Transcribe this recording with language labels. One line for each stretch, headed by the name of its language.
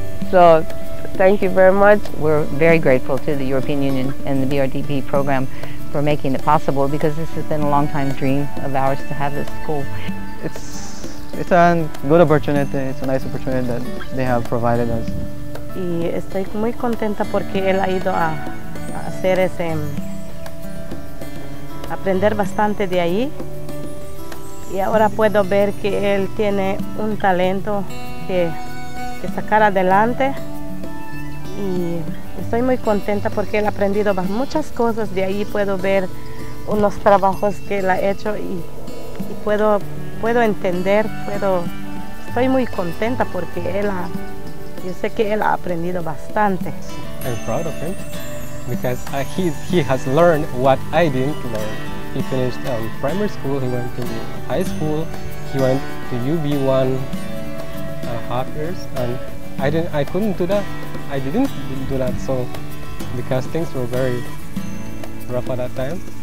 English: So thank you very much. We're very grateful to the European Union and the BRDP program for making it possible, because this has been a long time dream of ours to have this school. It's a good opportunity, it's a nice opportunity that they have provided us.
Spanish: Y estoy muy contenta porque él ha ido a hacer ese aprender bastante de ahí. Y ahora puedo ver que él tiene un talento que sacar adelante. Y estoy muy contenta porque él ha aprendido muchas cosas de ahí. Puedo ver unos trabajos que él ha hecho y puedo entender, puedo estoy muy contenta porque él, yo sé que él ha aprendido bastante.
English: I'm proud of him because he has learned what I didn't learn. He finished primary school, he went to high school, he went to UB 1.5 years, and I couldn't do that. I didn't do that, so because things were very rough at that time.